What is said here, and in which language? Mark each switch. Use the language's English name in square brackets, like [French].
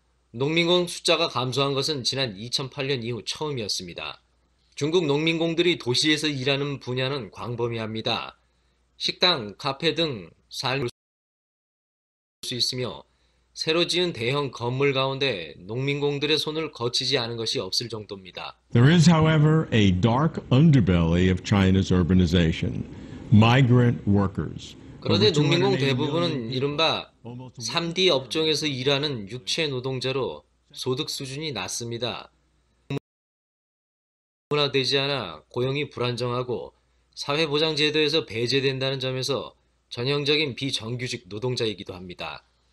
[Korean] 농민공 숫자가 감소한 것은 지난 2008년 이후 처음이었습니다. 중국 농민공들이 도시에서 일하는 분야는 광범위합니다. 식당, 카페 등 삶을 볼 수 있으며 새로 지은 대형 건물 가운데 농민공들의 손을 거치지 않은 것이 없을 정도입니다. [English] There is, however, a dark underbelly of China's urbanization. Migrant workers. [Korean] 그런데 농민공 대부분은 이른바 3D 업종에서 일하는 육체 노동자로 소득 수준이 낮습니다. 문화되지 않아 고용이 불안정하고 사회보장제도에서 배제된다는 점에서 전형적인 비정규직 노동자이기도 합니다.